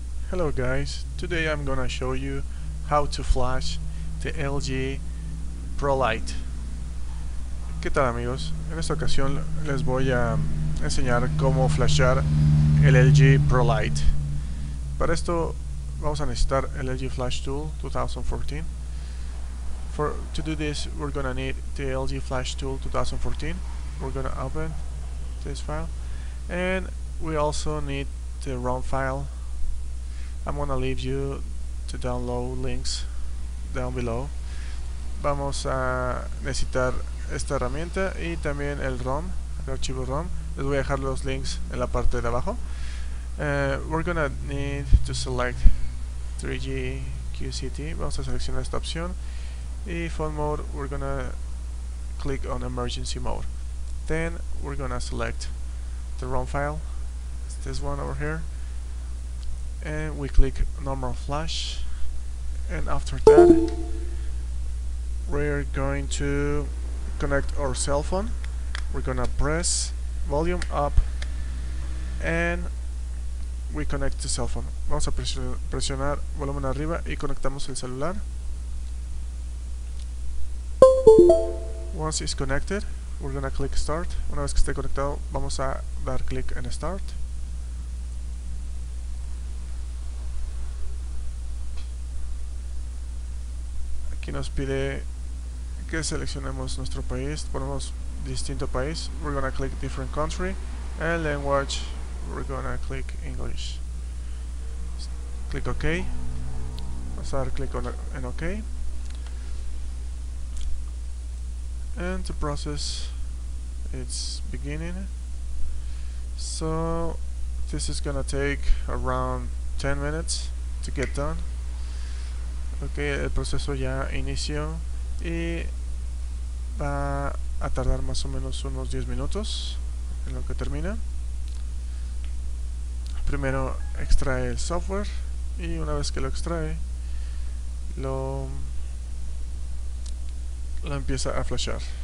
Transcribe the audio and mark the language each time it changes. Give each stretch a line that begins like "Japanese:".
English: Hello guys, today I'm gonna show you how to flash the LG Pro Lite.
Spanish: ¿Qué tal amigos? En esta ocasión les voy a enseñar cómo flashear el LG Pro Lite. Para esto vamos a necesitar el LG Flash Tool 2014.
English: For to do this, we're gonna need the LG Flash Tool 2014. We're gonna open this file, and we also need the ROM file. I'm gonna leave you to download links down below.
Spanish: Vamos a necesitar esta herramienta y también el ROM, el archivo ROM. Les voy a dejar los links en la parte de abajo.
English: We're gonna need to select 3G QCT.
Spanish: Vamos a seleccionar esta opción y phone mode.
English: We're gonna click on emergency mode. Then we're gonna select the ROM file. It's this one over here. And we click normal flash, and after that we're going to connect our cell phone. We're gonna press volume up and we connect the cell phone.
Spanish: Vamos a presionar volumen arriba y conectamos el celular.
English: Once it's connected, we're gonna click start.
Spanish: Una vez que esté conectado, vamos a dar click en start. Aquí nos pide que seleccionemos nuestro país, ponemos distinto país.
English: We're gonna click different country, and language, we're gonna click English. Click OK.
Spanish: Vamos a dar click en OK.
English: And the process, it's beginning. So, this is gonna take around 10 minutes to get done.
Spanish: Ok, el proceso ya inició y va a tardar más o menos unos 10 minutos en lo que termina. Primero extrae el software y una vez que lo extrae, lo empieza a flashear.